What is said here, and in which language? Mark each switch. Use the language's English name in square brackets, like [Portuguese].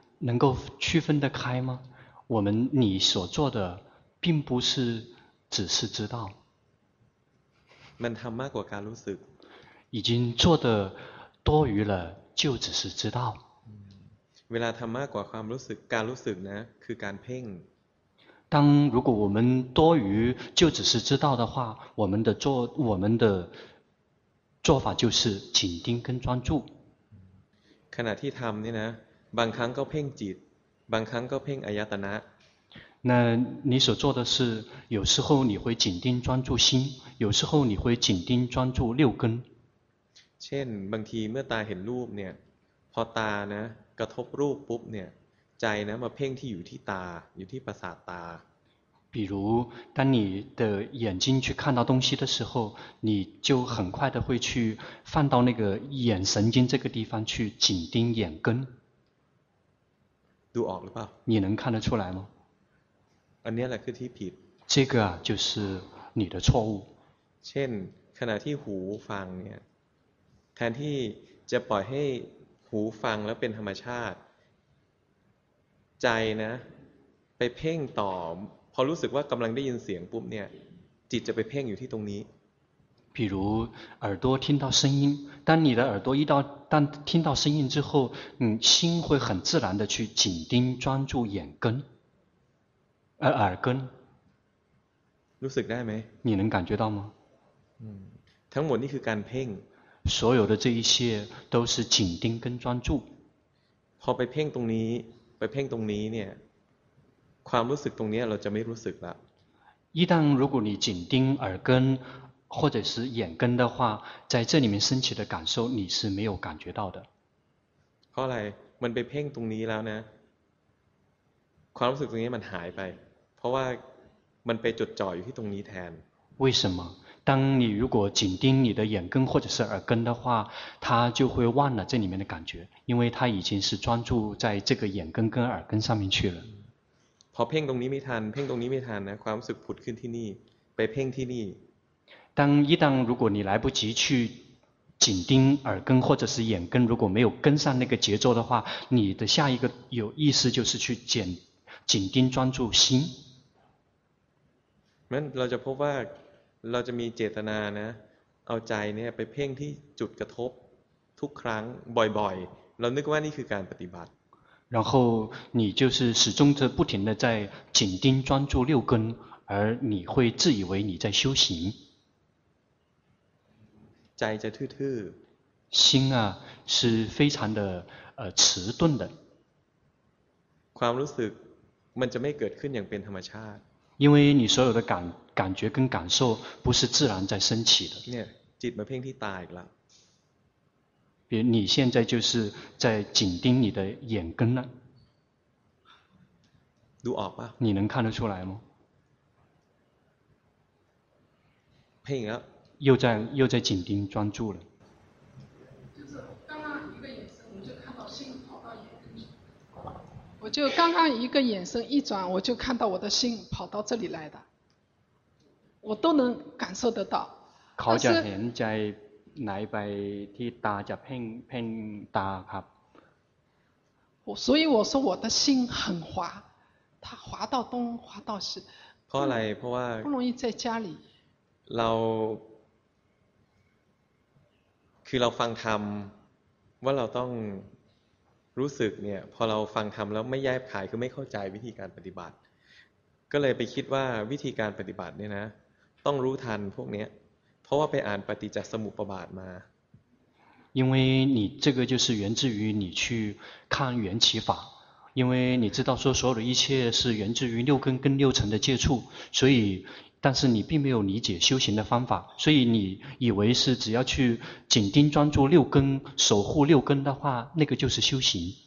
[Chinese] 能够区分得开吗我们你所做的并不是只是知道 [Thai] มันทำมากกว่าการรู้สึก [Chinese] 已经做得多余了就只是知道 [Thai] เวลาทำมากกว่าความรู้สึกการรู้สึกนะคือการเพ่ง [Chinese] 当如果我们多余就只是知道的话，我们的做法就是紧盯跟专注。 [Thai] ขณะที่ทำนี่นะบางครั้งก็เพ่งจิตบางครั้งก็เพ่งอายตนะ [Chinese] 那你所做的是有时候你会紧盯专注心有时候你会紧盯专注六根 [Thai] เช่นบางทีเมื่อตาเห็นรูปเนี่ยพอตานะกระทบรูปปุ๊บเนี่ยใจนะมาเพ่งที่อยู่ที่ตาอยู่ที่ประสาทตา [Chinese] 比如当你的眼睛去看到东西的时候你就很快的会去放到那个眼神经这个地方去紧盯眼根 [Thai] ดูออกหรือเปล่า [Chinese] 你能看得出来吗 [Thai] อันนี้แหละคือที่ผิด [Chinese] 这个啊就是你的错误 [Thai] เช่นขณะที่หูฟังเนี่ยแทนที่จะปล่อยให้หูฟังแล้วเป็นธรรมชาติใจนะไปเพ่งต่อพอรู้สึกว่ากำลังได้ยินเสียงปุ๊บเนี่ยจิตจะไปเพ่งอยู่ที่ตรงนี้ [Chinese] 比如耳朵听到声音当你的耳朵一到当听到声音之后心会很自然的去紧盯专注眼根耳根 [Thai] รู้สึกได้ไหม [Chinese] 你能感觉到吗 [Thai] ทั้งหมดนี่คือการเพ่ง [Chinese] 所有的这一些都是紧盯跟专注 [Thai] พอไปเพ่งตรงนี้ไปเพ่งตรงนี้เนี่ยความรู้สึกตรงนี้เราจะไม่รู้สึกละ [Chinese] 一旦如果你紧盯耳根或者是眼根的话在这里面升起的感受你是没有感觉到的 [Thai] เพราะอะไรมันไปเพ่งตรงนี้แล้วนะความรู้สึกตรงนี้มันหายไปเพราะว่ามันไปจดจ่ออยู่ที่ตรงนี้แทน [Chinese] 为什么当你如果紧盯你的眼根或者是耳根的话它就会忘了这里面的感觉因为它已经是专注在这个眼根跟耳根上面去了 [Thai] พอเพ่งตรงนี้ไม่ทันเพ่งตรงนี้ไม่ทันนะความรู้สึกผุดขึ้นที่นี่ไปเพ่งที่นี่ [Chinese] 当一旦如果你来不及去紧盯耳根或者是眼根如果没有跟上那个节奏的话你的下一个有意思就是去紧盯专注心 [Thai] เราจะพบว่าเราจะมีเจตนานะเอาใจเนี่ยไปเพ่งที่จุดกระทบทุกครั้งบ่อยๆเรานึกว่านี่คือการปฏิบัติ [Chinese] 然后你就是始终的不停的在紧盯专注六根而你会自以为你在修行 [Thai] ใจจะทื่อ [Chinese] ๆ心啊是非常的迟钝的 [Thai] ความรู้สึกมันจะไม่เกิดขึ้นอย่างเป็นธรรมชาติ [Chinese] 因为你所有的感觉跟感受不是自然在升起的。 [Thai] เนี่ยจิตมาเพ่งที่ตาอีกละ [Chinese] 比如你现在就是在紧盯你的眼根了。 [Thai] ดูออกป่ะ [Chinese] 你能看得出来吗？ [Thai] เพ่งแล้ว [Chinese] 又在紧盯专注了。就是刚刚一个眼神，我就看到心跑到眼根。我就刚刚一个眼神一转，我就看到我的心跑到这里来的。我都能感受得到 [Thai] เขาจะเห็นใจไหลไปที่ตาจะเพ่งตาครับ [Chinese] 所以我说我的心很滑它滑到东滑到西 [Thai] เพราะอะไรเพราะว่า [Chinese] 不容易在家里 [Thai] เราคือเราฟังธรรมว่าเราต้องรู้สึกเนี่ยพอเราฟังธรรมแล้วไม่แยบคายคือไม่เข้าใจวิธีการปฏิบัติก็เลยไปคิดว่าวิธีการปฏิบัติเนี่ยนะต้องรู้ทันพวกนี้เพราะว่าไปอ่านปฏิจจสมุปบาทมา [Chinese] 因为你这个就是源自于你去看缘起法因为你知道说所有的一切是源自于六根跟六尘的接触所以但是你并没有理解修行的方法所以你以为是只要去紧盯专注六根守护六根的话那个就是修行